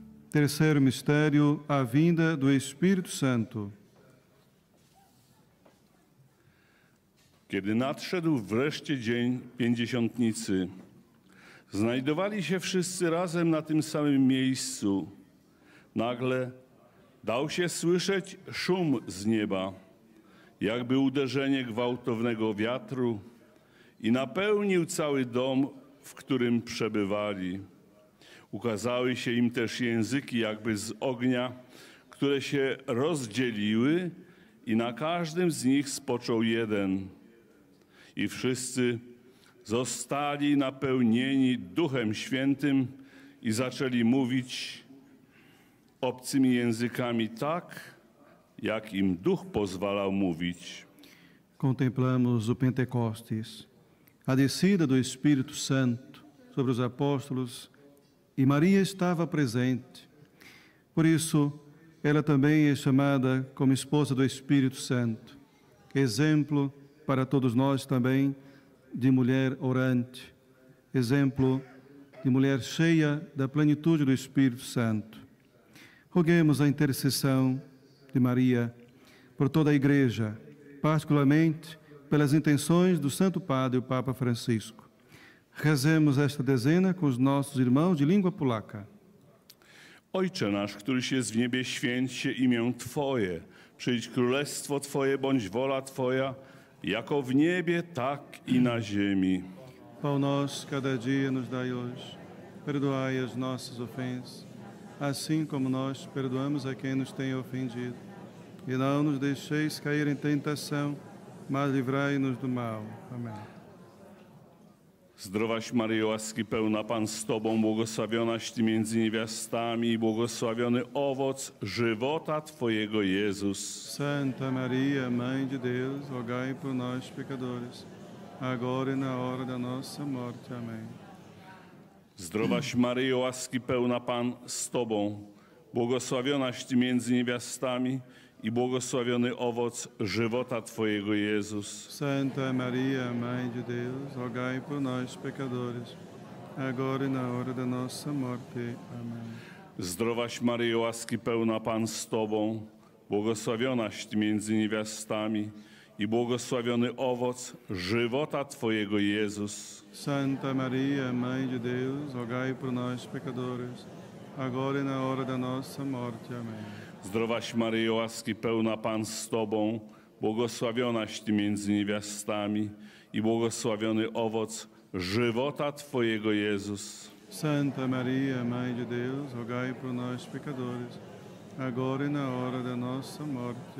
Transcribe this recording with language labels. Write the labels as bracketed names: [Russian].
[Portuguese] Terceiro mistério, a vinda do Espírito Santo. [Polish] Kiedy nadszedł wreszcie dzień Pięćdziesiątnicy, znajdowali się wszyscy razem na tym samym miejscu. Nagle dał się słyszeć szum z nieba, jakby uderzenie gwałtownego wiatru, i napełnił cały dom, w którym przebywali. Ukazały się im też języki jakby z ognia, które się rozdzieliły i na każdym z nich spoczął jeden. I wszyscy zostali napełnieni Duchem Świętym i zaczęli mówić obcymi językami tak, jak im Duch pozwalał mówić. [Portuguese] Contemplamos o Pentecostes, a descida do Espírito Santo sobre os apóstolos, e Maria estava presente. Por isso, ela também é chamada como esposa do Espírito Santo, exemplo para todos nós também, de mulher orante, exemplo de mulher cheia da plenitude do Espírito Santo. Roguemos a intercessão de Maria por toda a Igreja, particularmente pelas intenções do Santo Padre, o Papa Francisco. Rezemos esta dezena com os nossos irmãos de língua polaca. [Polish] Ojcze nasz, któryś jest w niebie, święć się imię Twoje, przyjdź królestwo Twoje, bądź wola Twoja, jako w niebie, tak i na ziemi. [Portuguese] Pão nosso cada dia nos dai hoje. Perdoai as nossas ofensas, assim como nós perdoamos a quem nos tem ofendido. E não nos deixeis cair em tentação, mas livrai-nos do mal. Amém. [Polish] Zdrowaś Maryjo, łaski pełna, Pan z Tobą, błogosławionaś Ty między niewiastami i błogosławiony owoc żywota Twojego, Jezus. [Portuguese] Santa Maria, Mãe de Deus, rogai por nós, pecadores, agora e na hora da nossa morte. Amém. [Polish] Zdrowaś Maryjo, łaski pełna, Pan z Tobą, błogosławionaś Ty między niewiastami i błogosławiony owoc żywota Twojego, Jezus. [Portuguese] Santa Maria, Mãe de Deus, rogai por nós, pecadores, agora e na hora da nossa morte. Amém. [Polish] Zdrowaś Maryjo, łaski pełna, Pan z Tobą, błogosławionaś Ty między niewiastami i błogosławiony owoc żywota Twojego, Jezus. [Portuguese] Santa Maria, Mãe de Deus, rogai por nós, pecadores, agora e na hora da nossa morte. Amém. [Polish] Zdrowaś Maryjo, łaski pełna, Pan z Tobą, błogosławionaś Ty między niewiastami i błogosławiony owoc żywota Twojego, Jezus. [Portuguese] Santa Maria, Mãe de Deus, rogai por nós, pecadores, agora e na hora da nossa morte.